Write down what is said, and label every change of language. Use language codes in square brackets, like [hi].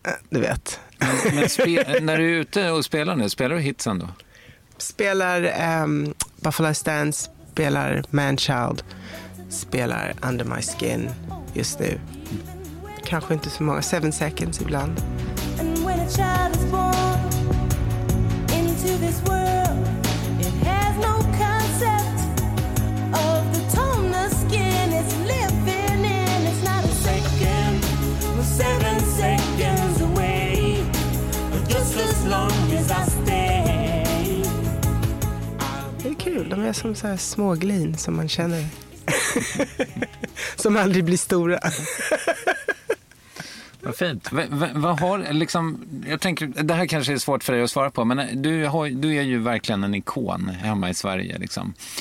[sv] Du vet. När du är ute och spelar nu, spelar du hitsen då? Spelar Buffalo Stance, spelar Manchild, spelar Under My Skin just nu. Kanske inte så många, 7 Seconds ibland. [en] And when a child is born into this world, it has no concept of the tone of skin it's living in. It's not a second or 7 seconds away, but just as long as I stay. [sv] De är som så här små glin som man känner. Som aldrig blir stora. Vad fint. Vad har liksom, jag tänker, det här kanske är svårt för dig att svara på, men du är ju verkligen en ikon hemma i Sverige liksom.